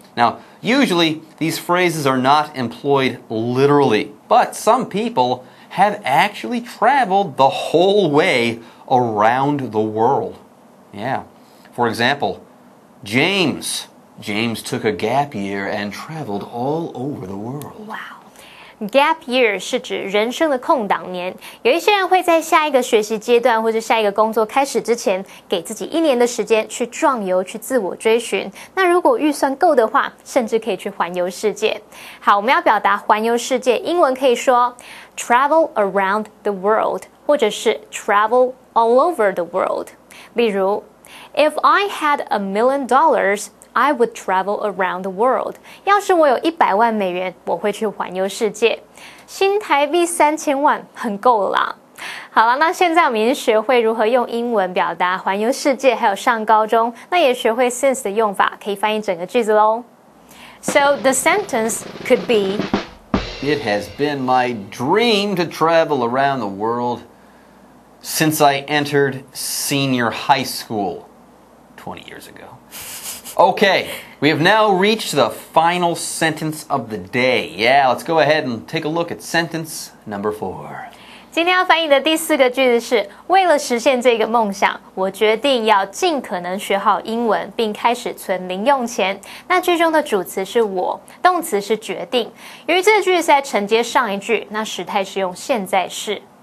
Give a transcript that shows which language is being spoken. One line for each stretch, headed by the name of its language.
English: Now, usually, these phrases are not employed literally, but some peopleHave actually traveled the whole way around the world. Yeah. For example, James. James took a gap year and traveled all over the world.
Chinese: Wow. Gap year 是指人生的空档年。有一些人会在下一个学习阶段或者下一个工作开始之前给自己一年的时间去壮游，去自我追寻。那如果预算够的话，甚至可以去环游世界。好，我们要表达环游世界，英文可以说
English: travel around the world
Chinese: 或者是
English: travel all over the world。
Chinese: 例如
English: If I had $1 million,I would travel around the world.
Chinese: 要是我有100万美元，我会去环游世界。新台币3000万很够了啦。好了，那现在我们已经学会如何用英文表达环游世界，还有上高中，那也学会 since 的用法，可以翻译整个句子咯。
English: So the sentence could be, It has been my dream to travel around the world since I entered senior high school 20 years ago. Okay, we have now reached the final sentence of the day. Yeah, let's go ahead and take a look at sentence number 4.
Chinese: 今天要翻译的第四个句子是为了实现这个梦想，我决定要尽可能学好英文并开始存零用钱。那句中的主词是我，动词是决定。由于这句是在承接上一句，那时态是用现在式。